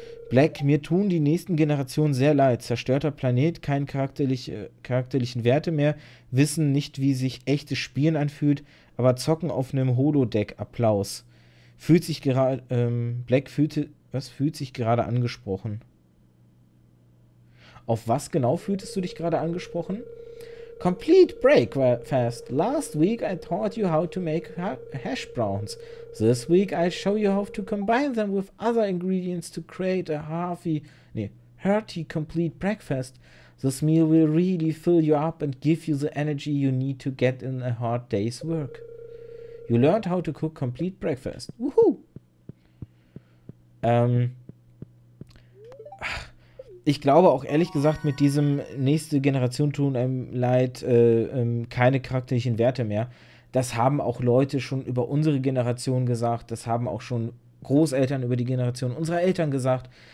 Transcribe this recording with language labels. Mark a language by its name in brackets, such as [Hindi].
[German] Black, mir tun die nächsten Generationen sehr leid. Zerstörter Planet, keine charakterlichen Werte mehr, wissen nicht, wie sich echtes Spielen anfühlt, aber zocken auf einem Holodeck. Applaus. Fühlt sich gerade, Black fühlte, was fühlt sich gerade angesprochen? Auf was genau fühltest du dich gerade angesprochen? [English] Complete breakfast. Last week I taught you how to make hash browns. This week I show you how to combine them with other ingredients to create a hearty complete breakfast. This meal will really fill you up and give you the energy you need to get in a hard day's work. You learned how to cook complete breakfast. Woohoo! [German] Ich glaube auch ehrlich gesagt mit diesem nächste Generation tun einem leid, keine charakterlichen Werte mehr. Das haben auch Leute schon über unsere Generation gesagt. Das haben auch schon Großeltern über die Generation unserer Eltern gesagt.